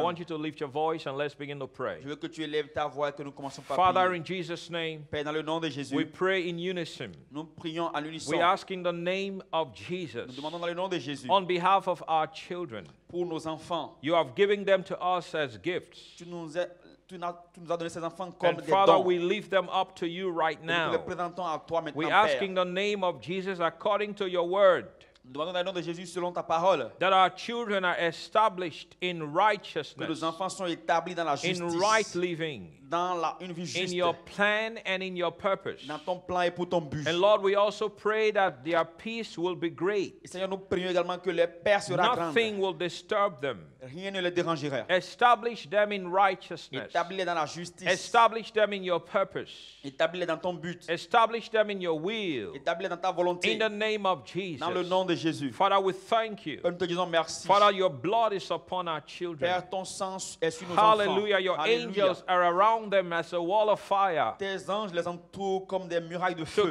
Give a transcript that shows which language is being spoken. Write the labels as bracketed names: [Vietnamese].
[English] I want you to lift your voice and let's begin to pray. [French] Je veux que tu élèves ta voix et que nous commençons par [English] Father, [French] prier. [English] In Jesus' name, [French] Père, dans le nom de Jésus, [English] we pray in unison. [French] Nous prions en unison. [English] We ask in the name of Jesus. [French] Nous demandons dans le nom de Jésus. [English] On behalf of our children. [French] Pour nos enfants. [English] You have given them to us as gifts. [French] Tu nous as donné ces enfants comme des dons. [English] And Father, we lift them up to you right now. [French] Nous les présentons à toi maintenant, [English] we [French] Père. [English] We ask in the name of Jesus according to your word. [French] Nous demandons dans le nom de Jésus selon ta parole. [English] That our children are established in righteousness. [French] Que nos enfants sont établis dans la justice. [English] In right living. [French] Dans une vie juste. [English] In your plan and in your purpose. [French] Dans ton plan et pour ton but. [English] And Lord, we also pray that their peace will be great. [French] Et Seigneur, nous prions également que leur paix sera [English] nothing [French] grande. [English] Nothing will disturb them. [French] Rien ne les dérangera. [English] Establish them in righteousness. [French] Établis-les dans la justice. [English] Establish them in your purpose. [French] Établis-les dans ton but. [English] Establish them in your will. [French] Établis-les dans ta volonté. [English] In the name of Jesus. [French] Dans le nom de Jésus. [English] Father, we thank you. [French] Nous te disons merci. [English] Father, your blood is upon our children. [French] Père, ton sang est sur nos enfants. [English] Hallelujah, your angels are around them as a wall of fire. [French] Tes anges les entourent comme des murailles de feu.